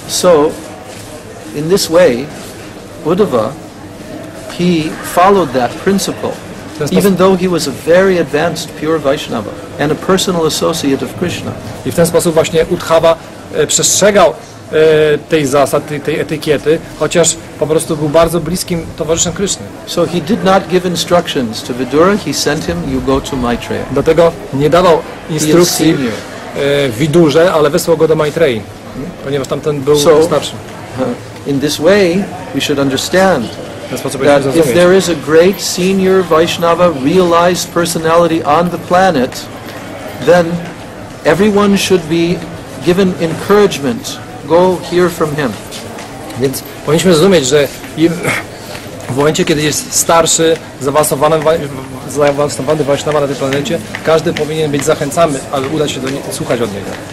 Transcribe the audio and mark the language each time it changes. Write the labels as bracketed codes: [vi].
[en] So, in this way, Uddhava, he followed that principle, even though he was a very advanced pure Vaishnava and a personal associate of Krishna. [pl] I w ten sposób właśnie Uddhava przestrzegał tej zasady, tej etykiety, chociaż po prostu był bardzo bliskim towarzyszem Kryszny. [en] So he did not give instructions to Vidura, he sent him, you go to Maitreya. [pl] Dlatego nie dawał instrukcji Vidurze, ale wysłał go do Maitreyi, ponieważ tamten był starszy. [en] In this way, we should understand that if there is a great senior Vaishnava realized personality on the planet, then everyone should be given encouragement. Go hear from him. [pl] Więc powinniśmy zrozumieć, że w momencie, kiedy jest starszy, zaawansowany Vaishnava na tej planecie, każdy powinien być zachęcany, aby udać się do niego, słuchać od niego.